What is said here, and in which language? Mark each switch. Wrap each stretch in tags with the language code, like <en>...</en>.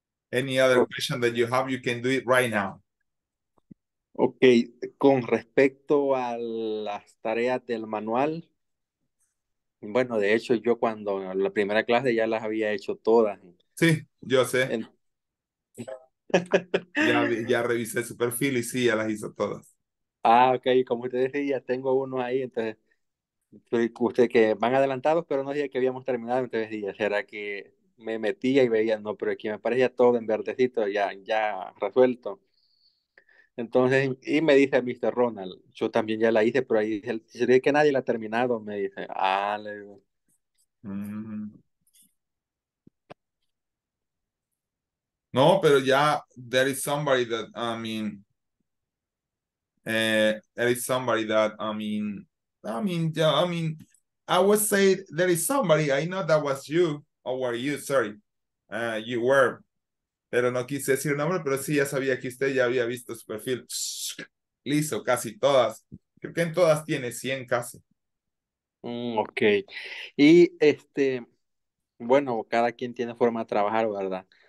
<en>Any other question that you have, you can do it right now.</en> <es>Okay, con respecto a las tareas del manual, bueno, de hecho, yo cuando la primera clase ya las había hecho todas. Sí, yo sé. ya revisé su perfil y sí, ya las hizo todas. Ah, okay, como usted decía, ya tengo uno ahí, entonces, usted que van adelantados, pero no decía que habíamos terminado, entonces, ya será que... Me metía y veía, no, pero aquí me parecía todo en verdecito, ya resuelto. Entonces, y me dice Mr. Ronald, yo también ya la hice, pero ahí dice, se dice que nadie la ha terminado, me dice, ah, le digo. No, pero ya,</es> <en>there is somebody that, I mean, there is somebody that, I mean, I would say there is somebody. I know that was you, or were you, sorry. You were.</en> <es>Pero no quise decir el nombre, pero sí, ya sabía que usted ya había visto su perfil. Listo, casi todas. Creo que en todas tiene 100 casi.</es> <en>Ok.</en> <es>Y bueno, cada quien tiene forma de trabajar, ¿verdad?</es>